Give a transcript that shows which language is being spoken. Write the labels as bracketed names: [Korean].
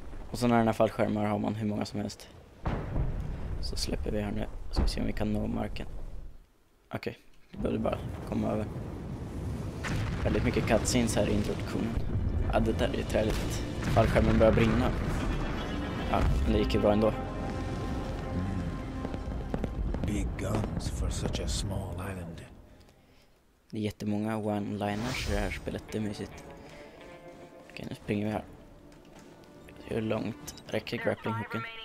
[Swedish] Och så när den här fallskärmar har man hur många som helst. Så släpper vi här nu. Ska vi se om vi kan nå marken. Okej, det behöver bara komma över. Väldigt mycket cutscenes här i introduktionen. Ja, det där är ju träligt. Fallskärmen börjar brinna. Ja, men det gick ju bra ändå. [English] Big guns for such a small island. [Swedish] Det är jättemånga one-liners i det här spelet. Det är mysigt. Okej, nu springer vi här. Hur långt räcker grapplinghooken?